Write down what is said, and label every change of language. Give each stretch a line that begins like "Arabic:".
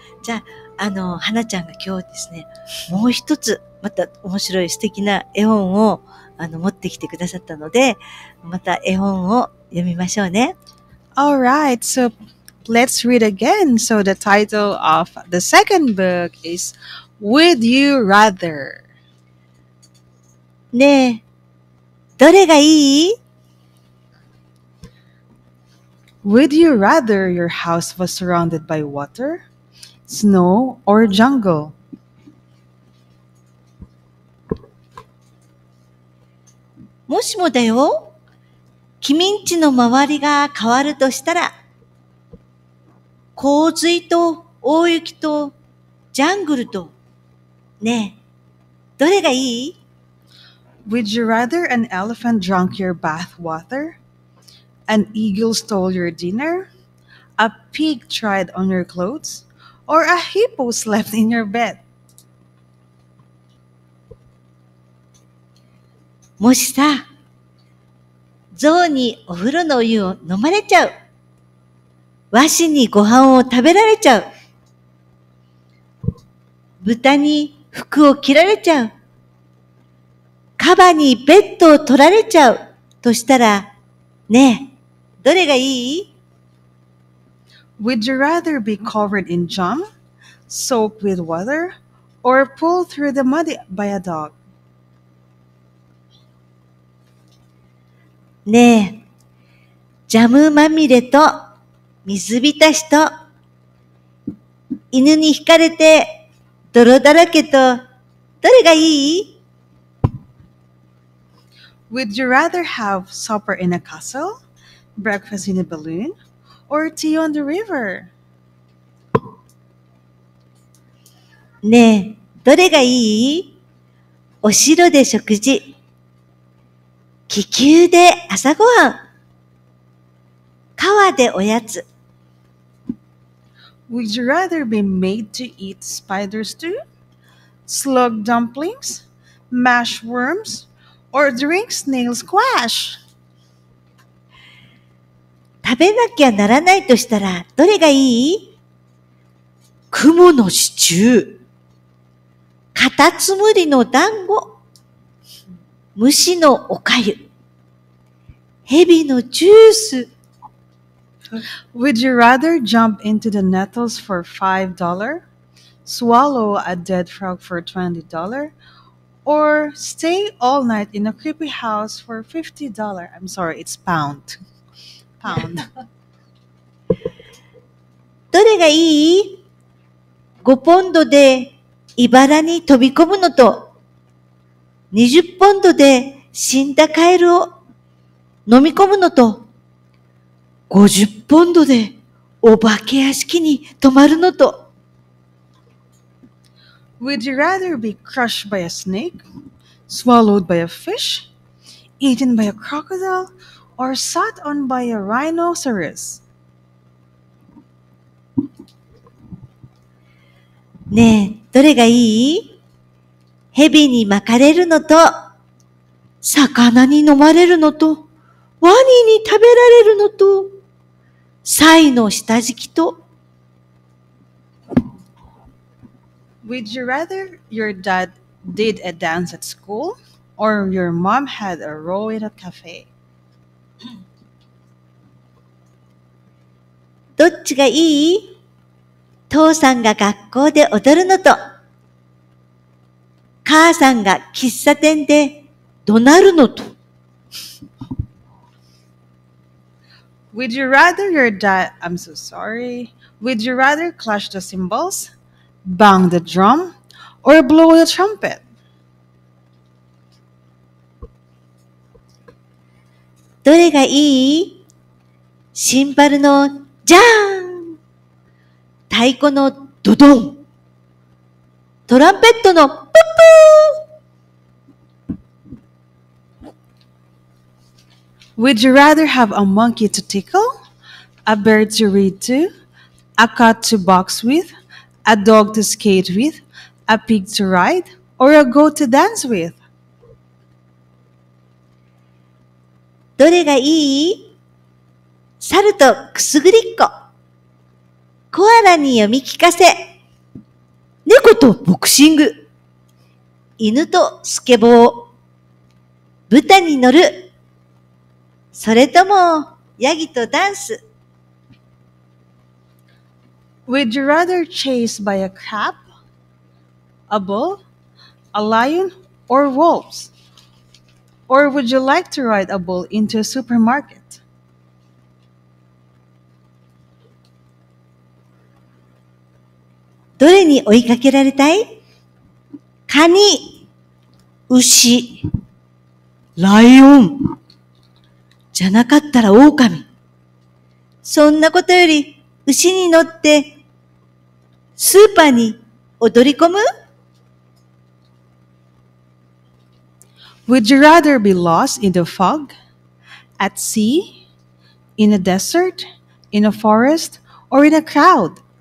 Japanese: じゃあ、花ちゃんが今日ですね、もう一つ、また面白い素敵な絵本を、持ってきてくださったので、また絵本を読みましょうね。
English: Alright, so let's read again. So the title of the second book is Would You Rather?
Japanese: ねえ、どれがいい？
English: Would you rather your house was surrounded by water, snow, or jungle?
Japanese: もしもだよ、君ん家の周りが変わるとしたら、洪水と大雪とジャングルと、ねえ、どれがいい？
English: Would you rather an elephant drunk your bath water? An eagle stole your dinner, a pig tried on your clothes, or a hippo slept in your bed.
Japanese: もしさ、ゾウにお風呂のお湯を飲まれちゃう、ワシにご飯を食べられちゃう、豚に服を着られちゃう、カバにベッドを取られちゃうとしたら、ねえ、どれがいい？
English: Would you rather be covered in jam, soaked with water, or pulled through the mud by a dog?
Japanese: ねえ、ジャムまみれと水浸しと犬に惹かれて泥だらけと、どれがいい？
English: Would you rather have supper in a castle? Breakfast in a balloon or tea on the river?
Japanese: ねえ、どれがいい？お城で食事、気球で朝ごはん、川でおやつ。
English: Would you rather be made to eat spider stew, slug dumplings, mash worms, or drink snail squash?
Japanese: 食べなきゃならないとしたら、どれがいい？雲のシチュー、カタツムリの団子、虫のおかゆ、ヘビのジュース。
English: Would you rather jump into the nettles for $5, swallow a dead frog for $20, or stay all night in a creepy house for $50? I'm sorry, it's pound.
Japanese: どれがいい？ 5ポンドで茨に飛び込むのと、20ポンドで死んだカエルを飲み込むのと、50ポンドでお化け屋敷に泊まるのと。
English: Would you rather be crushed by a snake, swallowed by a fish, eaten by a crocodile? Or sat on by a rhinoceros?
Japanese: ねえ、どれがいい？蛇に巻かれるのと、魚に飲まれるのと、ワニに食べられるのと、サイの下敷きと。
English: Would you rather your dad did a dance at school, or your mom had a row in a cafe?
Japanese: どっちがいい？父さんが学校で踊るのと、母さんが喫茶店で怒鳴るのと。
English: Would you rather your dad, I'm so sorry, would you rather clash the cymbals, bang the drum, or blow the trumpet?
Japanese: どれがいい？シンバルのジャーン、太鼓のドドン、トランペットのプップー。
English: Would you rather have a monkey to tickle, a bird to read to, a cat to box with, a dog to skate with, a pig to ride, or a goat to dance with?
Japanese: どれがいい？猿とくすぐりっこ。コアラに読み聞かせ。猫とボクシング。犬とスケボー。豚に乗る。それとも、ヤギとダンス。
English: Would you rather chase by a crab, a bull, a lion, or wolves? Or would you like to ride a bull into a supermarket?
Japanese: どれに追いかけられたい？カニ、牛、ライオン。じゃなかったら狼。そんなことより、牛に乗って、スーパーに踊り込む？
English: Would you rather be lost in the fog, at sea, in a desert, in a forest, or in a crowd?